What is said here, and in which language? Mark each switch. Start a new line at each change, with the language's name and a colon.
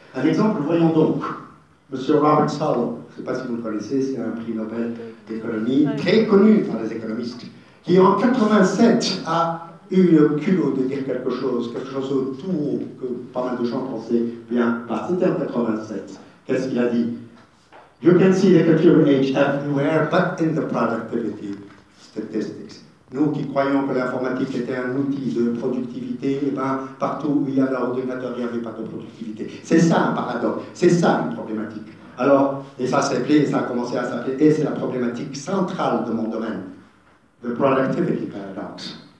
French: Un exemple, voyons donc, M. Robert Solow, je ne sais pas si vous le connaissez, c'est un prix Nobel d'économie, très connu par les économistes, qui en 87 a eu le culot de dire quelque chose autour que pas mal de gens pensaient bien pas. C'était en 87. Qu'est-ce qu'il a dit?
English: You can see the computer age everywhere, but in the productivity statistics.
French: Nous qui croyons que l'informatique était un outil de productivité, eh ben, partout où il y avait l'ordinateur, il n'y avait pas de productivité. C'est ça un paradoxe, c'est ça une problématique. Alors, et ça s'appelait, et ça a commencé à s'appeler, et c'est la problématique centrale de mon domaine, le productivity paradox.